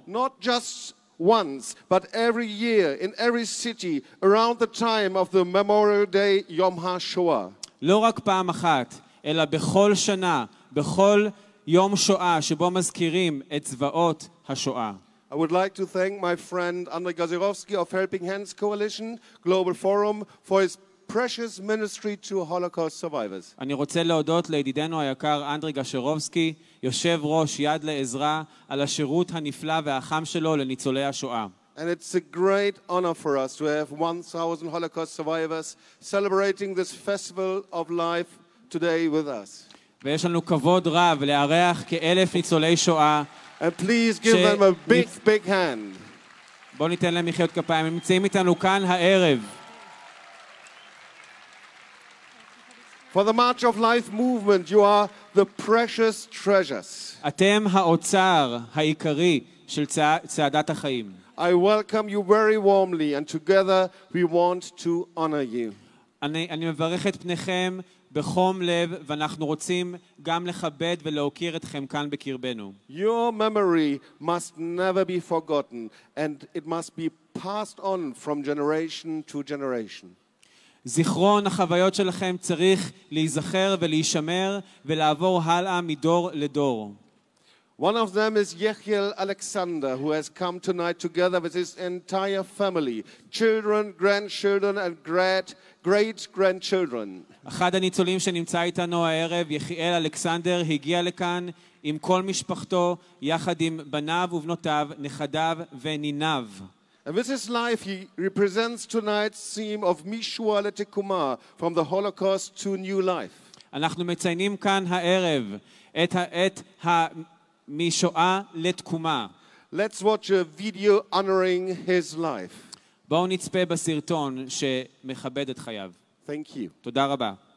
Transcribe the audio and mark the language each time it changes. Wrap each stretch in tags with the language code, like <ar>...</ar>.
<en>Not just once but every year in every city around the time of the memorial day Yom HaShoah.</en> <he>לא רק פעם אחת אלא בכל שנה בכל יום שואה שבו מזכירים את זוועות השואה.</he> <en>I would like to thank my friend Andrei Gazirovsky of Helping Hands Coalition Global Forum for his precious ministry to Holocaust survivors.</en> <he>אני רוצה להודות לידידנו היקר אנדרי גשרובסקי, יושב ראש יד לעזרה, על השירות הנפלא והחם שלו לניצולי השואה.</he> <en>And it's a great honor for us to have 1000 Holocaust survivors celebrating this festival of life today with us.</en> <he>ויש לנו כבוד רב לארח כ-1000 ניצולי שואה.</he> <en>And please give them a big big hand.</en> <he>בוא ניתן להם מחיאות כפיים. הם נמצאים איתנו כאן הערב.</he> <en>For the March of Life movement, you are the precious treasures.</en> <he>אתם האוצר העיקרי של צעדת החיים.</he> <en>I welcome you very warmly and together we want to honor you.</en> <he>אני מברך את פניכם בחום לב ואנחנו רוצים גם לכבד ולהוקיר אתכם כאן בקרבנו.</he> <en>Your memory must never be forgotten and it must be passed on from generation to generation.</en> <he>זיכרון החוויות שלכם צריך להיזכר ולהישמר ולעבור הלאה מדור לדור.</he> <en>One of them is Yechiel Alexander who has come tonight together with his entire family, children, grandchildren and great grandchildren.</en> <he>אחד הניצולים שנמצא איתנו הערב, יחיאל אלכסנדר, הגיע לכאן עם כל משפחתו, יחד עם בניו ובנותיו, נכדיו וניניו.</he> <en>And with his life he represents tonight's theme of Mishua Letekuma from the Holocaust to new life.</en> <he>אנחנו מציינים כאן הערב את המשואה לתקומה.</he> <en>Let's watch a video honoring his life.</en> <he>בואו נצפה בסרטון שמכבד את חייו.</he> <en>Thank you.</en> <he>תודה רבה.</he>